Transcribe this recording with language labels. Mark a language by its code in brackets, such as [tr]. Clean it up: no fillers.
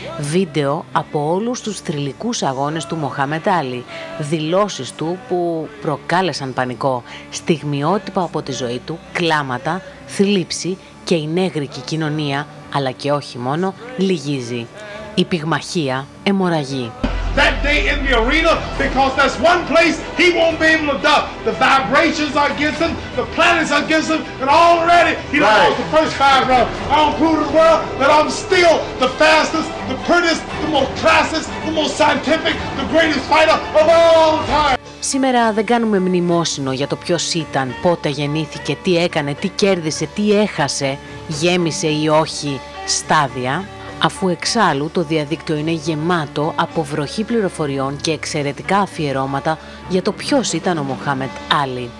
[el] Βίντεο από όλους τους θρυλικούς αγώνες του Μοχάμεντ Άλι. Δηλώσεις του που προκάλεσαν πανικό. Στιγμιότυπα από τη ζωή του, κλάματα, θλίψη και η νέγρικη κοινωνία, αλλά και όχι μόνο, λυγίζει. Η πυγμαχία αιμορραγεί. [en] That day in the arena, because that's one place he won't be able to duck. The vibrations are against him, the planets are against him, and already he lost the first 5 rounds. I'll prove to the world that I'm still the fastest, the prettiest, the most classiest, the most scientific, the greatest fighter of all time. [el] Σήμερα δεν κάνουμε μνημόσυνο για το ποιος ήταν, πότε γεννήθηκε, τι έκανε, τι κέρδισε, τι έχασε, γέμισε ή όχι στάδια. αφού εξάλλου το διαδίκτυο είναι γεμάτο από βροχή πληροφοριών και εξαιρετικά αφιερώματα για το ποιος ήταν ο Μοχάμεντ Άλι.